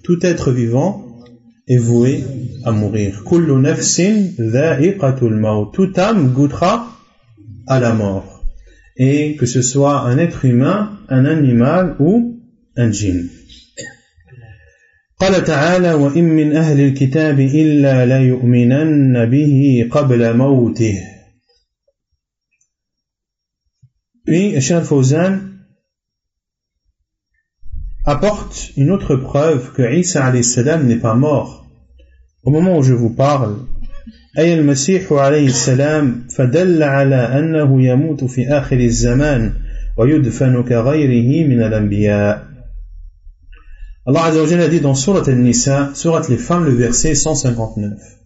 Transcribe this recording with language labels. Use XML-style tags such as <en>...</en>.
<fr>Tout être vivant est voué à mourir.</fr> <ar>Kullu nafsin dha'iqatul maut.</ar> <fr>Toute âme goûtera à la mort. Et que ce soit un être humain, un animal ou un djinn.</fr> <ar>قال تعالى وإن من أهل الكتاب إلا ليؤمنن به قبل موته.</ar> <fr>Puis Cheikh Fawzan apporte une autre preuve que Isa</fr> <ar>alayhi salam</ar> <fr>n'est pas mort. Au moment où je vous parle,</fr> <ar>أي المسيح عليه السلام فدل على أنه يموت في آخر الزمان ويدفن كغيره من الأنبياء.</ar> <fr>Allah</fr> <ar>Azza wa Jalla</ar> <fr>dit dans Surat al-Nisa, Surat les femmes, le verset 159.</fr>